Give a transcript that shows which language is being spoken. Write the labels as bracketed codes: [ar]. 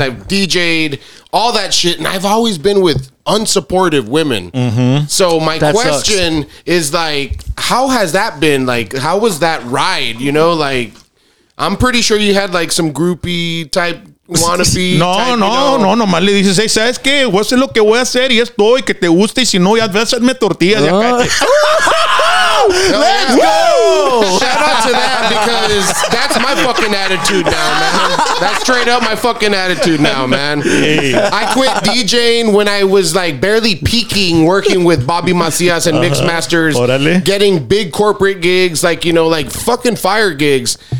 [en] I've DJed. All that shit. And I've always been with unsupportive women. Mm-hmm. So my question is like, how has that been? Like, how was that ride? You know, like, I'm pretty sure you had like some groupie type wannabe. [es] No. Más le dices, hey, ¿sabes qué? Voy a hacer lo que voy a hacer y estoy que te guste y si no, ya vas a hacerme tortillas. [en] Let's go! Shout out to that, because that's my fucking attitude now, man. That's straight up my fucking attitude now, man. I quit DJing when I was like barely peaking, working with Bobby Macias and Mixmasters, getting big corporate gigs, like, you know, like fucking fire gigs.